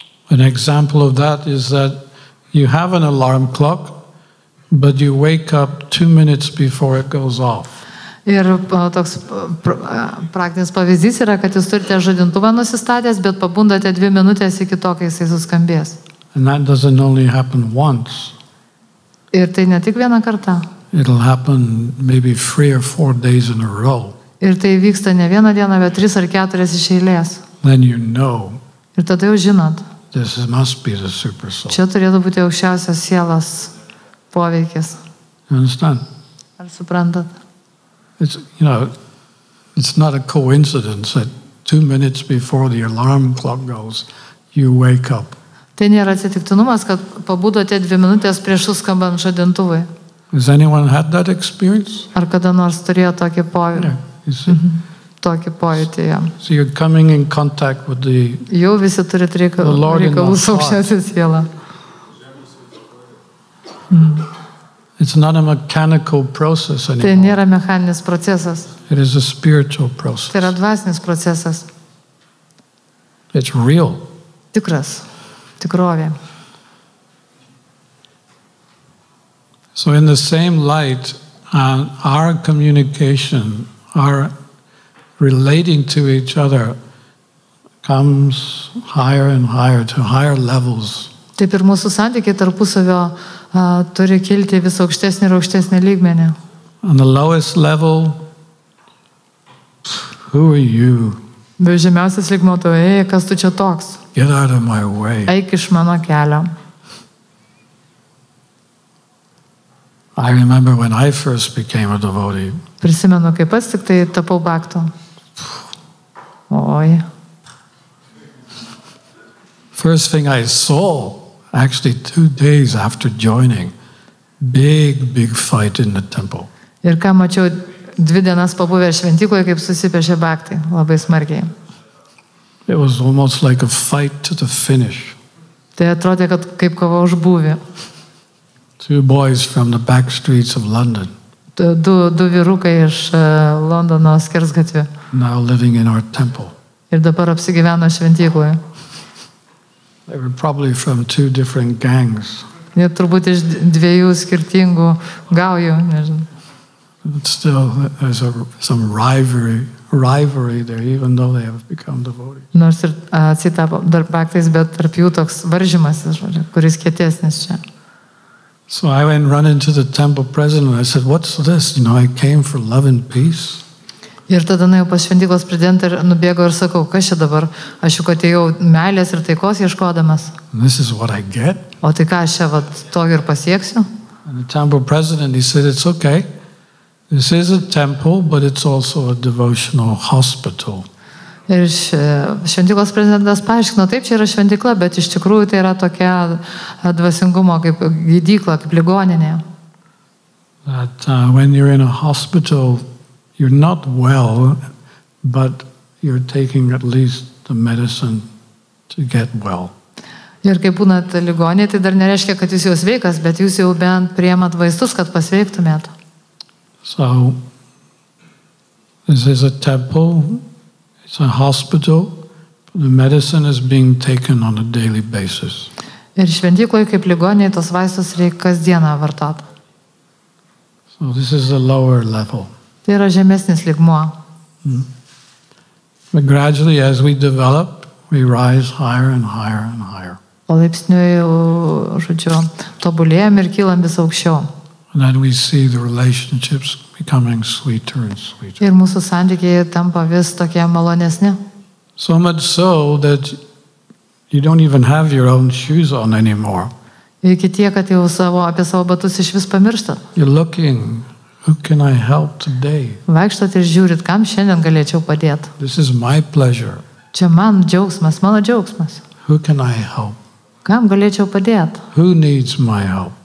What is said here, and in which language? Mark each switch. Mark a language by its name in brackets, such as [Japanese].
[English] An example of that is that you have an alarm clock, but you wake up 2 minutes before it goes off. [Lithuanian] Ir toks praktinis pavyzdys yra, kad jūs turite žadintuvą nusistatęs, bet pabundate 2 minutės iki to, kai jis suskambės. [English] And that doesn't only happen once. [Lithuanian] Ir tai ne tik vieną kartą. [English] It'll happen maybe 3 or 4 days in a row. [Lithuanian] Ir tai vyksta ne vieną dieną, bet 3 ar 4 iš eilės. [English] Then you know. [Lithuanian] Ir tada jau žinot. [English] This must be the super soul. [Lithuanian] Čia turėtų būti aukščiausios sielos poveikis. [English] You understand? [Lithuanian] Ar suprantat? [English] It's not a coincidence that 2 minutes before the alarm clock goes, you wake up. [Lithuanian] Tai nėra atsitiktinumas, kad pabudote 2 minutės prieš suskambant žadintuvui. [English] Has anyone had that experience? [Lithuanian] Ar kada nors turėjo tokį pojūtį? [English] Yeah, [Lithuanian] tokį pojūtį, ja. [English] So you're coming in contact with the [Lithuanian] jau visi turit reikalų su aukščiausia siela. [English] It's not a mechanical process anymore. [Lithuanian] Tai nėra mechaninis procesas. [English] It is a spiritual process. [Lithuanian] Tai yra dvasinis procesas. [English] It's real. [Lithuanian] Tikras. Tikrovė. [English] So in the same light, our communication, our relating to each other comes higher and higher to higher levels. [Lithuanian] Taip ir mūsų santykiai tarpusavio turi kilti vis aukštesnį ir aukštesnį lygmenį. [English] On the lowest level, who are you? [Lithuanian] Žemiausias lygmuo, kas tu čia toks? [English] Get out of my way. [Lithuanian] Eik iš mano kelio. [English] I remember when I first became a devotee. [Lithuanian] Prisimenu, kai pats tik tai tapau bhakto. Oi. [English] First thing I saw, actually 2 days after joining, big, big fight in the temple. [Lithuanian] Ir ką mačiau 2 dienas pabuvę šventykloje, kaip susipešė bhaktai, labai smarkiai. [English] It was almost like a fight to the finish. [Lithuanian] Tai atrodė, kad kaip kova už būvį. [English] Two boys from the back streets of London. [Lithuanian] Du vyrukai iš Londono skersgatvio. [English] Now living in our temple. [Lithuanian] Ir dabar apsigyveno šventykloje. [English] They were probably from 2 different gangs. [Lithuanian] Jie turbūt iš 2 skirtingų gaujų, nežinau. [English] But still, there's some rivalry there, even though they have become devotees. [Lithuanian] Nors ir atsitapo dar baktais, bet tarp jų toks varžymas, kuris kietesnis čia. [English] So I went running to the temple president and I said, what's this? You know, I came for love and peace. [Lithuanian] Ir tada nuėjau pas šventyklos prezidentą ir nubėgo ir sakau, kas čia dabar? Aš juk atėjau meilės ir taikos ieškodamas. [English] This is what I get. [Lithuanian] O tai ką aš čia vat, to ir pasieksiu? [English] And the temple president, he said, it's okay. This is a temple, but it's also a devotional hospital. [Lithuanian] Ir šventyklos prezidentas paaiškino, taip, čia yra šventykla, bet iš tikrųjų tai yra tokia dvasingumo kaip gydykla, kaip ligoninė. [English] That when you're in a hospital, you're not well, but you're taking at least the medicine to get well. [Lithuanian] Ir kai būnat ligoniai, tai dar nereiškia, kad jūs jau sveikas, bet jūs jau bent priemat vaistus, kad pasveiktumėt. [English] So, this is a temple, it's a hospital, but the medicine is being taken on a daily basis. [Lithuanian] Ir šventykloj kaip ligoniai, tos vaistus reikia kasdieną vartot. [English] So, this is a lower level. [Lithuanian] Tai yra žemesnis lygmuo. [English] But gradually as we develop, we rise higher and higher and higher. [Lithuanian] Palaipsniui, žodžiu, tobulėjam ir kylam vis aukščiau. [English] And then we see the relationships becoming sweeter and sweeter. [Lithuanian] Ir mūsų santykiai tampa vis tokie malonesni. [English] So much so that you don't even have your own shoes on anymore. [Lithuanian] Iki tiek, kad jau savo, apie savo batus iš vis pamirštat. [English] You're looking, who can I help today? [Lithuanian] Vaikštot ir žiūrit, kam šiandien galėčiau padėti. [English] This is my pleasure. [Lithuanian] Čia man džiaugsmas, mano džiaugsmas. [English] Who can I help? [Lithuanian] Kam galėčiau padėti? [English] Who needs my help?